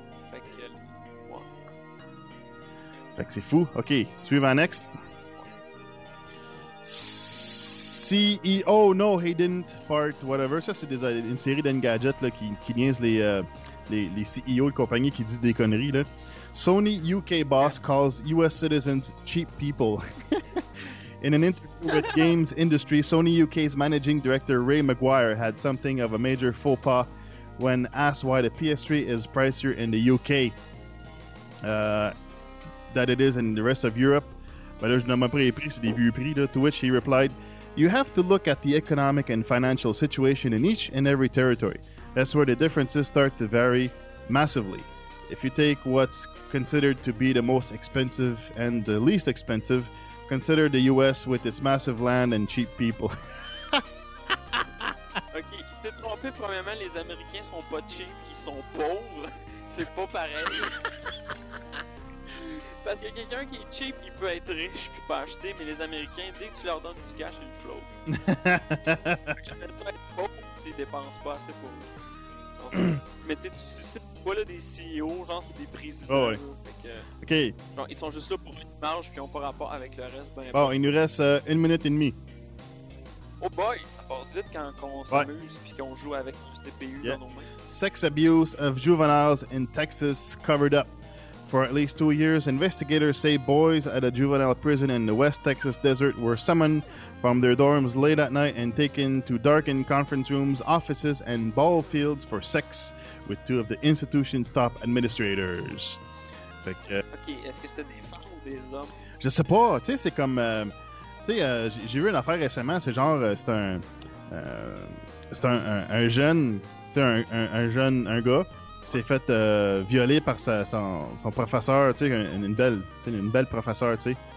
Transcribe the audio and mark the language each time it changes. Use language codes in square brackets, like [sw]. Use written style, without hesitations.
[fr] Fait que, ouais. Fait que c'est fou. OK, suivant next. CEO, [en] no, he didn't fart, whatever. [fr] Ça, c'est une série d'Engadget là, qui niaise les CEO de compagnie qui disent des conneries, là. [en] Sony UK boss calls US citizens cheap people. In an interview with Games Industry, Sony UK's managing director Ray Maguire had something of a major faux pas when asked why the PS3 is pricier in the UK than it is in the rest of Europe. [fr] Mais là, je n'ai pas pris les prix, c'est des vieux prix, là, [en] to which he replied, you have to look at the economic and financial situation in each and every territory. That's where the differences start to vary massively. If you take what's considered to be the most expensive and the least expensive, consider the US with its massive land and cheap people. [fr] OK, il s'est trompé. Premièrement, les Américains sont pas cheap, ils sont pauvres. C'est pas pareil. Parce que quelqu'un qui est cheap, il peut être riche puis pas acheter, mais les Américains, dès que tu leur donnes du cash, ils flottent. J'aimerais pas être pauvre s'ils dépensent pas assez pour eux. Mais tu sais, tu suscites quoi là des CEO, genre c'est des présidents. Oh, ouais. Là, que, OK. Genre, ils sont juste là pour une marge puis ils ont pas rapport avec le reste. Ben, bon, il nous reste une minute et demie. Oh boy, ça passe vite quand on s'amuse puis qu'on joue avec nos CPU dans nos mains. [en] Sex abuse of juveniles in Texas covered up. For at least 2 years, investigators say boys at a juvenile prison in the West Texas desert were summoned from their dorms late at night and taken to darkened conference rooms, offices, and ball fields for sex with two of the institution's top administrators. [fr] Fait que, OK, est-ce que c'était des femmes ou des hommes? Je sais pas, tu sais, c'est comme... tu sais, j'ai eu une affaire récemment, c'est genre, c'est un jeune gars... s'est fait violer par son professeur, tu sais, une belle professeure, tu sais.